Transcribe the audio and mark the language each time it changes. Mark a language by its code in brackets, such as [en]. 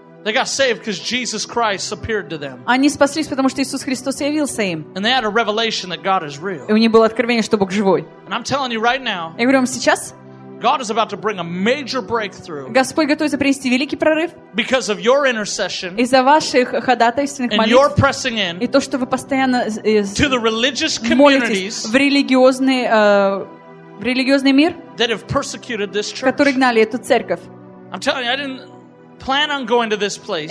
[en] They got saved because Jesus Christ appeared to them. [ru] Они спаслись, потому что Иисус Христос явился им. [en] And they had a revelation that God is real. [ru] И у них было откровение, что Бог живой. [en] And I'm telling you right now. [ru] Я говорю вам сейчас. [en] God is about to bring a major breakthrough. [ru] Господь готовится принести великий прорыв. [en] Because of your intercession. [ru] Из-за ваших ходатайственных молитв. [en] And your pressing in. [ru] И то, что вы постоянно [en] to the religious communities. [ru] В религиозный мир. [en] That have persecuted this church. [ru] Которые гнали эту церковь. [en] I'm telling you, I didn't plan on going to this place.